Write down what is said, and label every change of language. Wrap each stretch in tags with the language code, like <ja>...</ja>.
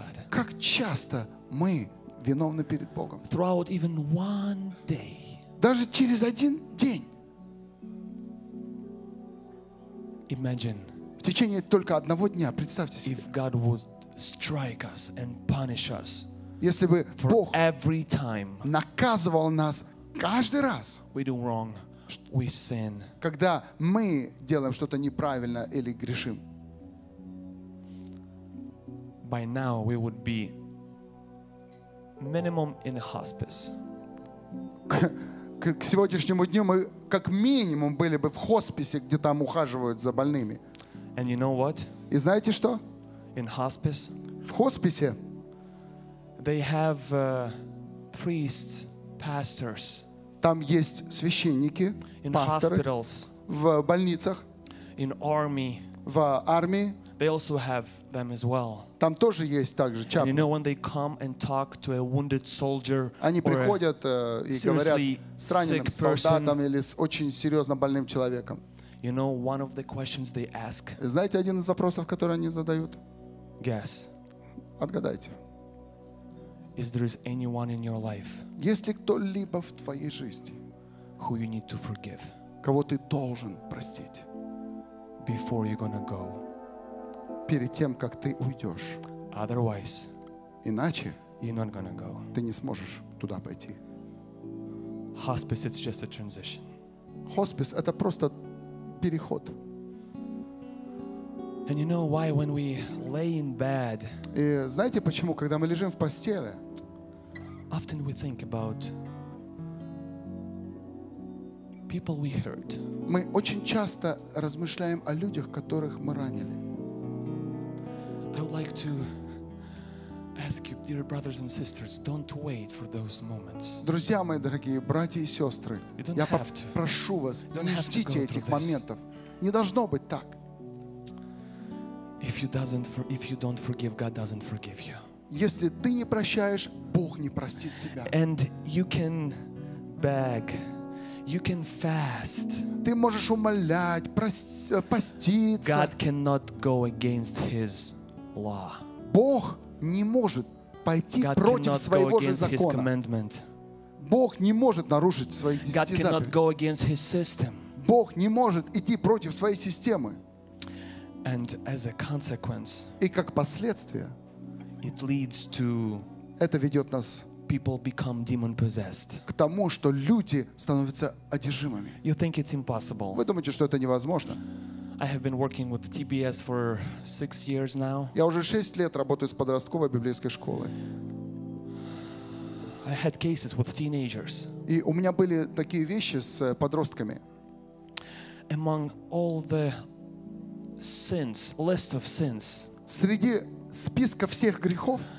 <ru>Как часто мы виновны перед Богом? Даже через один день.</ru> <en>Imagine,</en> <ru>в течение только одного дня, представьте себе,</ru> <en>if God would strike us and punish us,</en> <ru>если бы</ru> <en>for</en> <ru>Бог</ru> <en>every time</en> <ru>наказывал нас каждый раз,</ru> <en>we do wrong, we sin,</en> <ru>когда мы делаем что-то неправильно или грешим,</ru> <en>by now we would be minimum in hospice.</en> <ru>К сегодняшнему дню мы как минимум были бы в хосписе, где там ухаживают за больными.</ru> <en>And you know what?</en> <ru>И знаете что?</ru> <en>In hospice,</en> <ru>в хосписе</ru> <en>they have, priests, pastors.</en> <ru>Там есть священники,</ru> <en>in</en> <ru>пасторы,</ru> <en>hospitals,</en> <ru>в больницах,</ru> <en>in army,</en> <ru>в армии.</ru> <en>They also have them as well.</en> <ru>Там тоже есть также чаплы.</ru> <en>You know, when they come and talk to a wounded soldier,</en> <ru>они приходят и говорят с раненым солдатом или с очень серьезно больным человеком.</ru> <en>You know, one of the questions they ask,</en> <ru>знаете, один из вопросов, который они задают?</ru> <en>Guess.</en> <ru>Отгадайте.</ru> <en>Is there anyone in your life?</en> <ru>Есть ли кто-либо в твоей жизни?</ru> <en>Who you need to forgive?</en> <ru>Кого ты должен простить?</ru> <en>Before you're gonna go.</en> <ru>Перед тем, как ты уйдешь.</ru> <en>Otherwise.</en> <ru>Иначе.</ru> <en>You're not gonna go.</en> <ru>Ты не сможешь туда пойти.</ru> <en>Hospice, it's just a transition.</en> <ru>Хоспис — это просто переход.</ru> <en>And you know why when we lay in bed?</en> <ru>И знаете почему, когда мы лежим в постели?</ru> <en>Often we think about people we hurt.</en> <ru>Мы очень часто размышляем о людях, которых мы ранили.</ru> <en>I would like to ask you, dear brothers and sisters, don't wait for those moments.</en> <ru>Друзья мои дорогие, братья и сестры, я прошу вас, не ждите этих моментов. Не должно быть так.</ru> <en>If you don't forgive, God doesn't forgive you.</en> <ru>Если ты не прощаешь, Бог не простит тебя.</ru> <en>And you can beg, you can fast.</en> <ru>Ты можешь умолять, поститься.</ru> <en>God cannot go against His law.</en> <ru>Бог не может пойти против своего же закона. Бог не может нарушить свои десяти заповедей.</ru> <en>God cannot go against His system.</en> <ru>Бог не может идти против своей системы.</ru> <en>And as a consequence,</en> <ru>и как последствие,</ru> <en>it leads to,</en> <ru>это ведет нас,</ru> <en>people become demon possessed,</en> <ru>к тому, что люди становятся одержимыми.</ru> <en>You think it's impossible?</en> <ru>Вы думаете, что это невозможно?</ru> <en>I have been working with TBS for 6 years now.</en> <ru>Я уже 6 лет работаю с подростковой библейской школой.</ru> <en>I had cases with teenagers.</en> <ru>И у меня были такие вещи с подростками.</ru> <en>Among all the sins, list of sins.</en> <ru>Среди списка всех грехов,</ru>